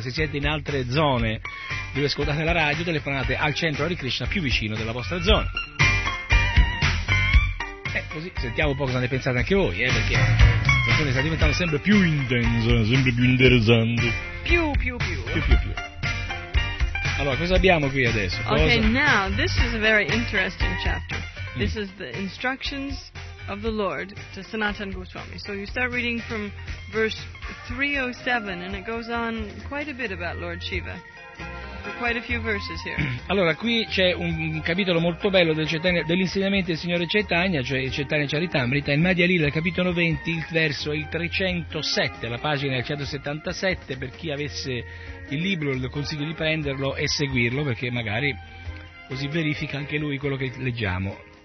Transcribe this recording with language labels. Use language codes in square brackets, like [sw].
[it] Se siete in altre zone dove ascoltate la radio, telefonate al centro Hare Krishna più vicino della vostra zona. Così sentiamo un po' cosa ne pensate anche voi, perché la situazione sta diventando sempre più intensa, sempre più interessante. Più. Allora, cosa abbiamo qui adesso? [en] Now, this is a very interesting chapter. This is the instructions of the Lord to Sanatan Goswami. So you start reading from verse 307 and it goes on quite a bit about Lord Shiva. For quite a few verses here. [it] Allora, qui c'è un capitolo molto bello dell'insegnamento del signore Chaitanya, cioè Chaitanya Charitamrita, in Madhya Lila, capitolo 20, il verso il 307, la pagina è 177, per chi avesse il libro lo consiglio di prenderlo e seguirlo, perché magari così verifica anche lui quello che leggiamo.